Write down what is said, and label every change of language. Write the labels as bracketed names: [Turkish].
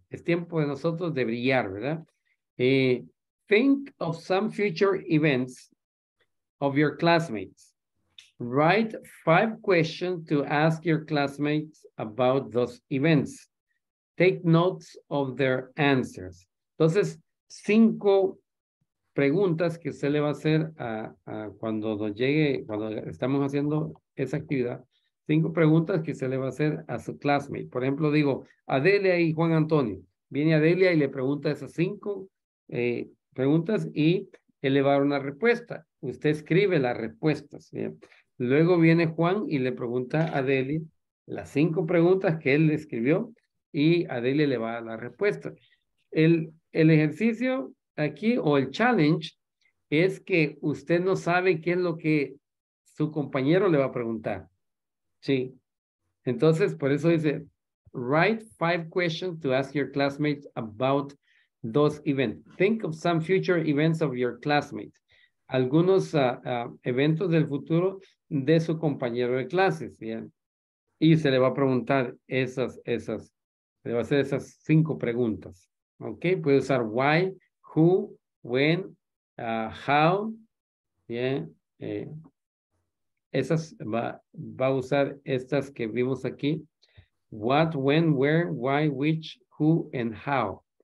[Spanish] Es tiempo de nosotros de brillar, ¿verdad? [English] Think of some future events of your classmates. Write 5 questions to ask your classmates about those events. Take notes of their answers. [Spanish] Entonces, 5 preguntas que se le va a hacer a cuando nos llegue, cuando estamos haciendo esa actividad. 5 preguntas que se le va a hacer a su classmate. Por ejemplo, digo, Adelia y Juan Antonio. Viene Adelia y le pregunta esas 5 preguntas y él le va a dar una respuesta. Usted escribe las respuestas. ¿Sí? Luego viene Juan y le pregunta a Adelia las 5 preguntas que él le escribió y Adelia le va a dar la respuesta. El ejercicio aquí o el challenge es que usted no sabe qué es lo que su compañero le va a preguntar. Sí, entonces por eso dice, [English] write 5 questions to ask your classmates about those events. Think of some future events of your classmates. [Spanish] Algunos eventos del futuro de su compañero de clases. ¿Sí? Y se le va a preguntar esas, le va a hacer esas 5 preguntas. Ok, puede usar why, who, when, how, yeah. ¿Sí? Esas va a usar estas que vimos aquí. [English] What, when, where, why, which, who, and how.